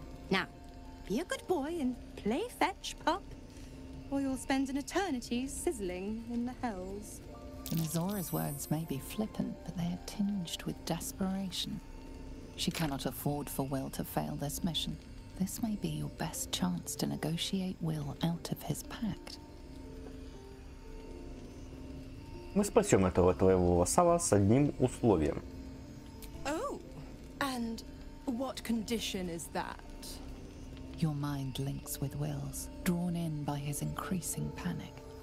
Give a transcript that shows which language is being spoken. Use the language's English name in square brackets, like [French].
[English] Now, be a good boy and play fetch, pup, or you'll spend an eternity sizzling in the hells. Mizora's words may be flippant, but they are tinged with desperation. She cannot afford for Will to fail this mission. This may be your best chance to negotiate Will out of his pact. [Russian] Мы спасем этого твоего вассала с одним условием. [English] Oh, and what condition is that? Your mind links with Will's, drawn in by his increasing panic.